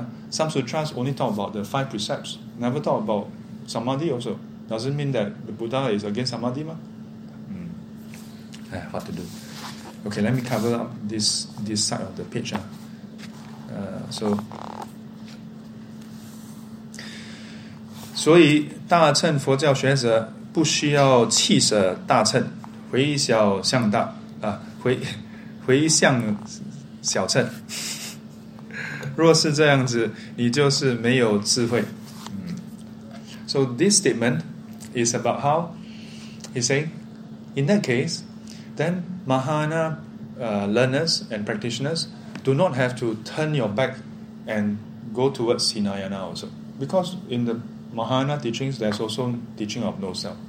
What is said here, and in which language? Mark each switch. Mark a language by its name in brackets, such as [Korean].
[English] Some sutras only talk about the five precepts, never talk about samadhi also. Doesn't mean that the Buddha is against samadhi. What to do? Okay, let me cover up this side of the picture. So, [Chinese] 所以大乘佛教学者不需要弃舍大乘，回小向大啊，回向小乘。若是这样子，你就是没有智慧。 [English] So this statement is about how he said, in that case, then Mahayana learners and practitioners do not have to turn your back and go towards Hinayana also. Because in the Mahayana teachings, there's also teaching of no self.